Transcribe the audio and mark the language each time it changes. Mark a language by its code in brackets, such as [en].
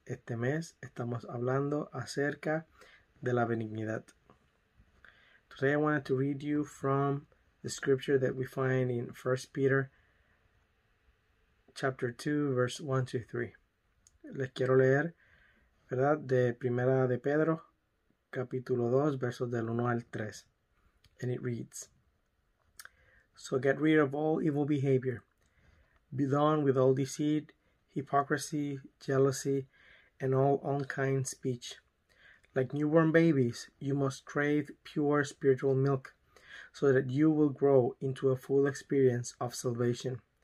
[es] Este mes estamos hablando acerca de la benignidad. [en] Today I wanted to read you from the scripture that we find in 1 Peter chapter 2, verse 1 to 3. [es] Les quiero leer, ¿verdad?, de Primera de Pedro. Capítulo 2, versos del 1 al 3. [en] And it reads, "So get rid of all evil behavior. Be done with all deceit, hypocrisy, jealousy, and all unkind speech. Like newborn babies, you must crave pure spiritual milk, so that you will grow into a full experience of salvation.